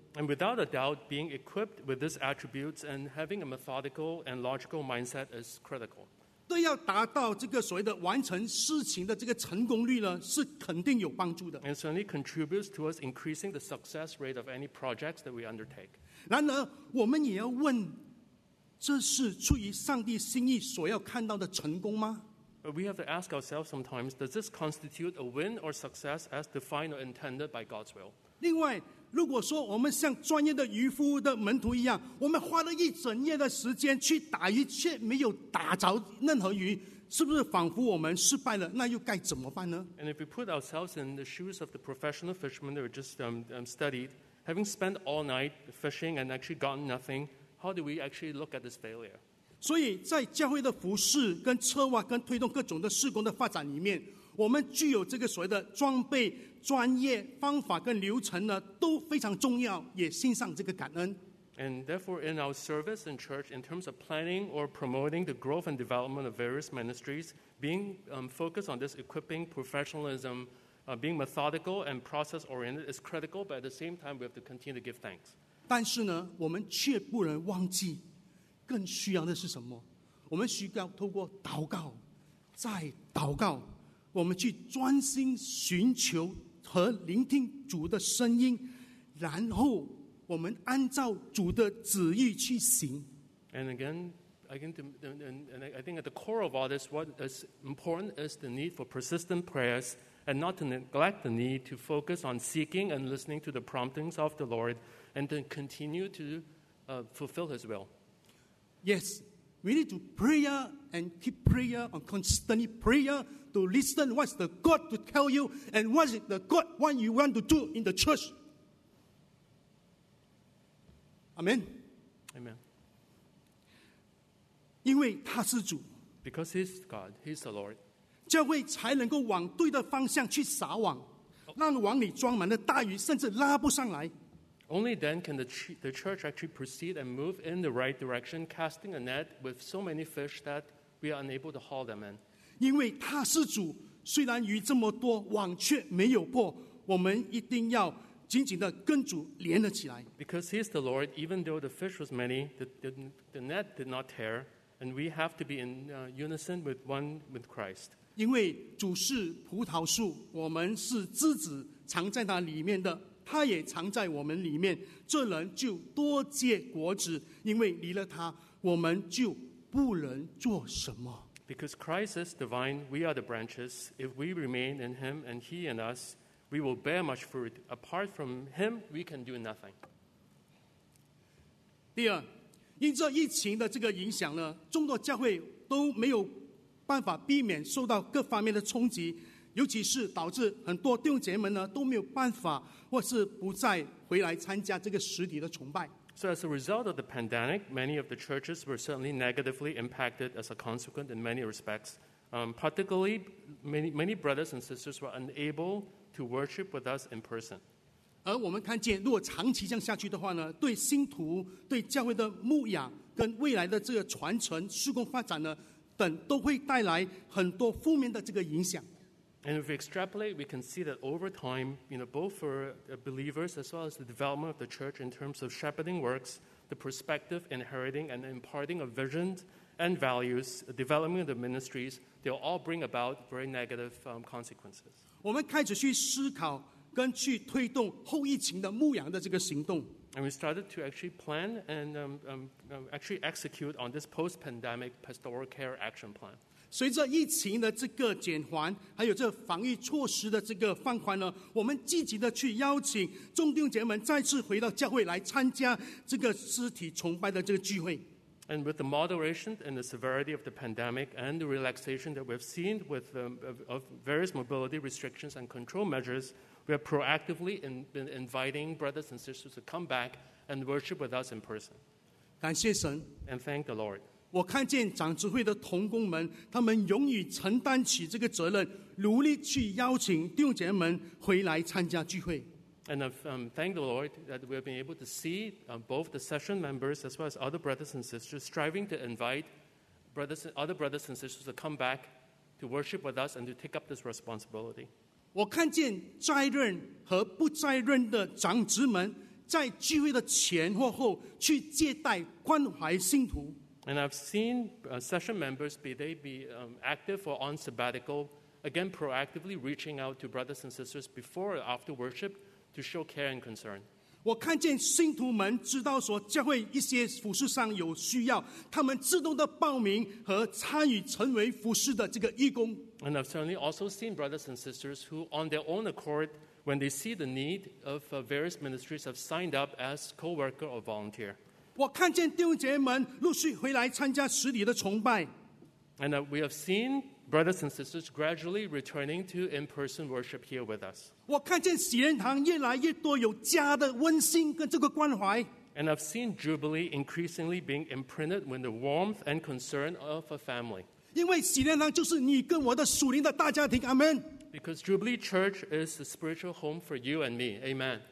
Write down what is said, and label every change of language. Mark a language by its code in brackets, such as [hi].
[en] And without a doubt, being equipped with these attributes and having a methodical and logical mindset is critical. [zh] 对要达到这个所谓的完成事情的这个成功率呢，是肯定有帮助的。 [en] And certainly contributes to us increasing the success rate of any projects that we undertake. [zh] 然而，我们也要问，这是出于上帝心意所要看到的成功吗？ [en] But we have to ask ourselves sometimes, does this constitute a win or success as defined or intended by God's will? [zh] 另外，如果说我们像专业的渔夫的门徒一样，我们花了一整夜的时间去打鱼，却没有打着任何鱼，是不是仿佛我们失败了？那又该怎么办呢？ [en] And if we put ourselves in the shoes of the professional fishermen that we just studied, having spent all night fishing and actually gotten nothing, how do we actually look at this failure? [zh] 所以在教会的服事跟策划跟推动各种的事工的发展里面，我们具有这个所谓的装备、专业、方法跟流程呢，都非常重要，也欣赏这个感恩。 [en] And therefore, in our service in church, in terms of planning or promoting the growth and development of various ministries, being focused on this equipping professionalism, being methodical and process oriented is critical. But at the same time, we have to continue to give thanks. [zh] 但是呢，我们却不能忘记，更需要的是什么？我们需要透过祷告，再祷告。我们去专心寻求和聆听主的声音，然后我们按照主的旨意去行。 [en] And again, I think at the core of all this, what is important is the need for persistent prayers and not to neglect the need to focus on seeking and listening to the promptings of the Lord and to continue to fulfill His will. Yes, we need to pray and keep prayer on constantly prayer. To listen, what's the God to tell you, and what's the God want you want to do in the church? Amen. Amen. [zh] 因为他是主 [en] because He's God, He's the Lord. [zh] 教会才能够往对的方向去撒网，让网里装满了大鱼，甚至拉不上来。 [en] Only then can the church actually proceed and move in the right direction, casting a net with so many fish that we are unable to haul them in. [zh] 因为他是主，虽然鱼这么多，网却没有破，我们一定要紧紧的跟主连了起来。 [en] Because he is the Lord, even though the fish was many, the net did not tear, and we have to be in unison with one with Christ. [zh] 因为主是葡萄树，我们是枝子，藏在他里面的，他也藏在我们里面。这人就多结果子，因为离了他，我们就不能做什么。 [en] Because Christ is divine, we are the branches. If we remain in Him and He in us, we will bear much fruit. Apart from Him, we can do nothing. [zh] 第二，因这疫情的这个影响呢，众多教会都没有办法避免受到各方面的冲击，尤其是导致很多弟兄姐妹们呢都没有办法，或是不再回来参加这个实体的崇拜。 [en] So as a result of the pandemic, many of the churches were certainly negatively impacted as a consequence in many respects. Particularly, many brothers and sisters were unable to worship with us in person. [zh] 而我们看见，如果长期这样下去的话呢，对信徒、对教会的牧养跟未来的这个传承、事工发展呢，等都会带来很多负面的这个影响。 [en] And if we extrapolate, we can see that over time, you know, both for believers as well as the development of the church in terms of shepherding works, the perspective, inheriting, and imparting of visions and values, the development of the ministries, they'll all bring about very negative consequences. [zh] 我们开始去思考跟去推动后疫情的牧养的这个行动。 [en] And we started to actually plan and actually execute on this post-pandemic pastoral care action plan. [zh] 随着疫情的这个减缓，还有这防疫措施的这个放宽呢，我们积极的去邀请众弟兄姐妹们再次回到教会来参加这个肢体崇拜的这个聚会。 [en] And with the moderation and the severity of the pandemic and the relaxation that we've seen with of various mobility restrictions and control measures, we have proactively been inviting brothers and sisters to come back and worship with us in person. [zh] 感谢神。 [en] And thank the Lord. [zh] 我看见长执会的同工们，他们勇于承担起这个责任，努力去邀请弟兄姐妹们回来参加聚会。 [en] And thank the Lord that we have been able to see both the session members as well as other brothers and sisters striving to invite brothers, other brothers and sisters to come back to worship with us and to take up this responsibility. [zh] 我看见在任和不在任的长执们在聚会的前或后去接待关怀信徒。 [en] And I've seen session members, be they be active or on sabbatical, again proactively reaching out to brothers and sisters before or after worship, to show care and concern. [zh] 我看见信徒们知道说教会一些服事上有需要，他们自动的报名和参与成为服事的这个义工。 [en] And I've certainly also seen brothers and sisters who, on their own accord, when they see the need of various ministries, have signed up as co-worker or volunteer. [zh] 我看见弟兄姐妹们陆续回来参加实体的崇拜。 [en] And we have seen brothers and sisters gradually returning to in-person worship here with us. [zh] 我看见喜人堂越来越多有家的温馨跟这个关怀。 [en] And I've seen Jubilee increasingly being imprinted with the warmth and concern of a family. [zh] 因为喜人堂就是你跟我的属灵的大家庭， Amen. [en] Because Jubilee Church is the spiritual home for you and me, Amen.